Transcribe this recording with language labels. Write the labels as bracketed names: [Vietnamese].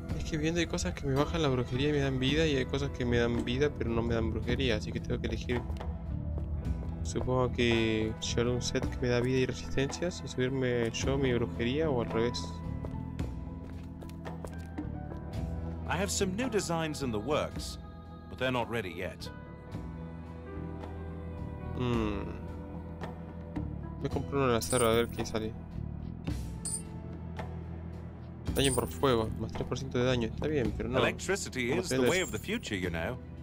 [Spanish] Que viendo hay cosas que me bajan la brujería y me dan vida, y hay cosas que me dan vida pero no me dan brujería, así que tengo que elegir. Supongo que llevar un set que me da vida y resistencias y subirme yo mi brujería, o al revés. [English] I have some new designs in the works, but they're not ready yet. [Spanish] Me compro uno al azar a ver qué sale. Daño por fuego, más 3% de daño, está bien, pero no. [English] Electricity is the way of the future, you know.